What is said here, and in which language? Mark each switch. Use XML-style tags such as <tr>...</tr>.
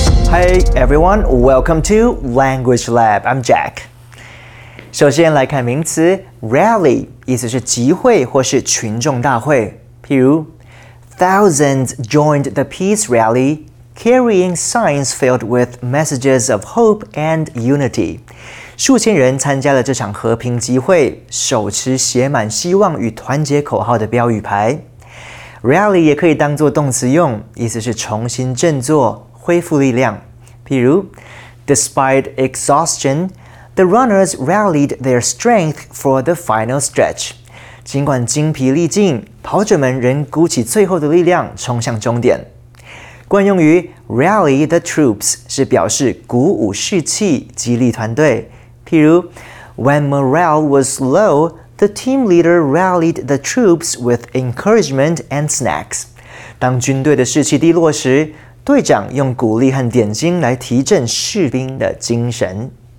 <en>Hey everyone, welcome to Language Lab. I'm Jack.</en> <zh>首先来看名词 rally， 意思是集会或是群众大会。譬如 ，</zh> <en>Thousands joined the peace rally, carrying signs filled with messages of hope and unity.</en> <zh>数千人参加了这场和平集会，手持写满希望与团结口号的标语牌。 Rally 也可以当作动词用，意思是重新振作。恢复力量，譬如 ，</zh> <en>Despite exhaustion, the runners rallied their strength for the final stretch.</en> <zh>尽管精疲力尽，跑者们仍鼓起最后的力量冲向终点。惯用于</zh> <en>rally the troops</en> <zh>是表示鼓舞士气、激励团队。譬如 ，</zh> <en>When morale was low, the team leader rallied the troops with encouragement and snacks.</en> <zh>当军队的士气低落时，队长用鼓励和点睛来提振士兵的精神。</zh>